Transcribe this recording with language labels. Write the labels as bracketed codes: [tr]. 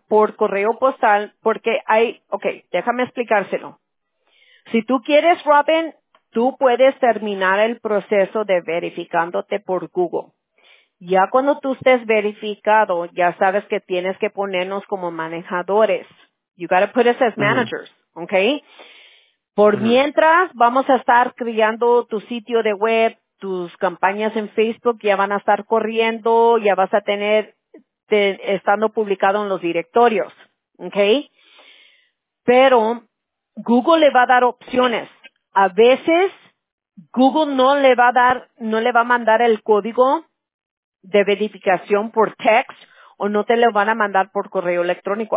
[es] Por correo postal, porque hay, okay, déjame explicárselo. Si tú quieres, Robin, tú puedes terminar el proceso de verificándote por Google. Ya cuando tú estés verificado, ya sabes que tienes que ponernos como manejadores. [en] You gotta put us as managers, okay? [es] Por mientras, vamos a estar creando tu sitio de web, tus campañas en Facebook, ya van a estar corriendo, ya vas a tener estando publicado en los directorios, ¿okay? Pero Google le va a dar opciones. A veces Google no le va a mandar el código de verificación por text o no te lo van a mandar por correo electrónico.